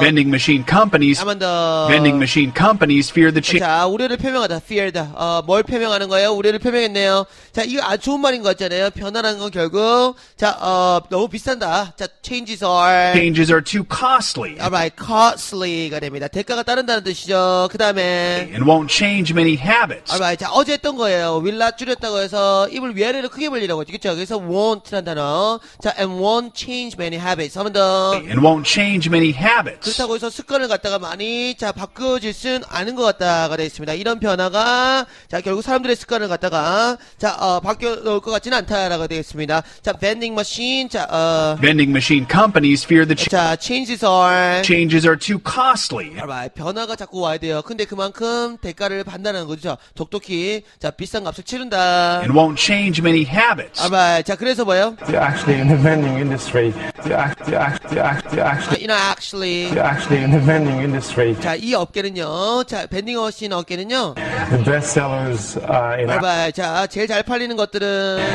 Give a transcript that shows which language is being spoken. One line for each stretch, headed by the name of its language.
English: Vending machine companies.
Korean: 한 번 더.
English: Vending machine companies fear the change.
Korean: 자, 우려를 표명하다. Fear. 뭘 표명하는 거예요? 우려를 표명했네요. 자, 이거 아주 좋은 말인 것 같잖아요. 변화라는 건 결국. 자, 너무 비싼다.
English: 자, changes are. Changes are too costly. Alright, costly.
Korean: 됩니다. 대가가 따른다는 뜻이죠. 그 다음에
English: and won't change many habits.
Korean: Alright, 자, 어제 했던 거예요. will not 줄였다고 해서 입을 위아래로 크게 벌리라고 했죠. 그쵸? 그래서 won't라는 단어.
English: 자, and won't change many habits.
Korean: 한 번 더.
English: And won't change many habits.
Korean: 그렇다고 해서 습관을 갖다가 많이 자, 바꿔질 순 않은 것 같다가 되어 있습니다. 이런 변화가 자, 결국 사람들의 습관을 갖다가 자, 바뀌어 놓을 것 같지는 않다라고 되어 있습니다. 자, vending machine. 자,
English: vending machine companies fear the changes are. Changes are too costly.
Korean: Alright, 변화가 자꾸 와야 돼요. 근데 그만큼 대가를 받는다는 거죠. 독특히 자 비싼 값을 치른다.
English: And won't change many habits.
Korean: Alright, 자 그래서 뭐요?
English: You're actually in the vending industry. You're actually. You know, actually. You're actually in the vending industry.
Korean: 자 이 업계는요. 자 vending machine 업계는요.
English: The best sellers in.
Korean: Alright, 자 제일 잘 팔리는 것들은.